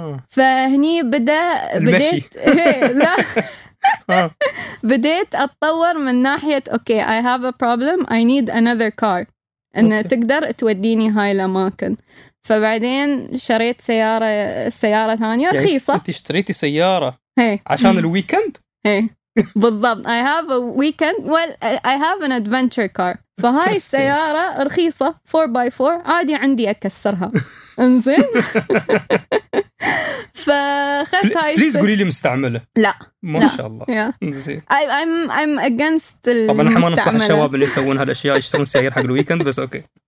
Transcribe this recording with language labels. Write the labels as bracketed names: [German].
[Arabic] فهني بديت لا بديت أتطور من ناحية [English] okay I have a problem I need another car [Arabic] إنه تقدر توديني هاي الأماكن. فبعدين شريت سيارة ثانية رخيصة. أنت اشتريتي سيارة عشان الويكند؟ بالضبط. [English] I have a weekend. Well, I have an adventure car. [Arabic] فهاي السيارة رخيصة 4x4 عادي عندي أكسرها. انزين. فخذت هاي. Please قولي لي مستعملة. لا. ما شاء الله. [English] I'm against. [Arabic] طبعاً إحنا ما ننصح الشباب اللي يسوون هالأشياء يشترون سيارة حق الويكند بس أوكي.